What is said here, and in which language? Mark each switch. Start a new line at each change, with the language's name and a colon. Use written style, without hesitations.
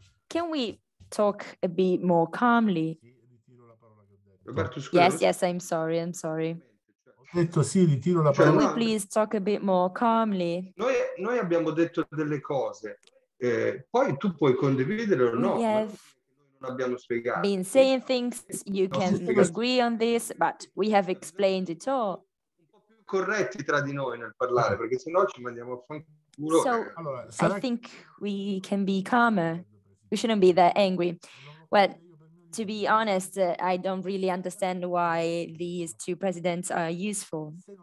English: Can we talk a bit more calmly?
Italian: Roberto, scusa.
English: Yes, yes, I'm sorry, I'm sorry.
Italian: Ho detto sì, ritiro la parola.
English: Can we please talk a bit more calmly?
Italian: Noi abbiamo detto delle cose, poi tu puoi condividere o no, non abbiamo spiegato.
English: Been saying things, you can agree on this, but we have explained it all.
Italian: Un po' più corretti tra di noi nel parlare, perché sennò ci mandiamo a fanculo.
English: So, allora, I think we can be calmer, we shouldn't be that angry. Well, to be honest, I don't really understand why these two presidents are useful.